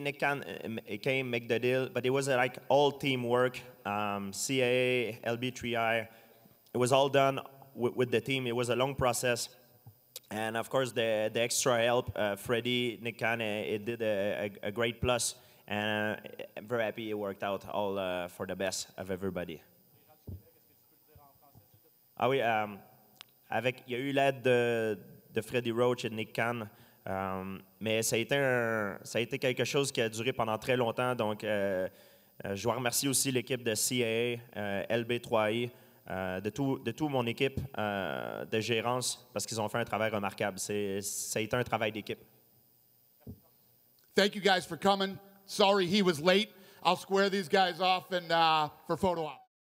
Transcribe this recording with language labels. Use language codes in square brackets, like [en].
[en] Nick Khan came, make the deal, but it was like all teamwork, CAA, LB3I. It was all done with the team. It was a long process. And, of course, the extra help, Freddie, Nick Khan, it did a great plus. And I'm very happy it worked out all for the best of everybody. [fr] Ah oui, avec, il y a eu l'aide de Freddie Roach et Nick Khan, mais ça a été quelque chose qui a duré pendant très longtemps. Donc, je dois remercier aussi l'équipe de CAA, LB3I, de tout mon équipe de gérance, parce qu'ils ont fait un travail remarquable. Ça a été un travail d'équipe. [en] Thank you guys for coming. Sorry he was late. I'll square these guys off and for photo op.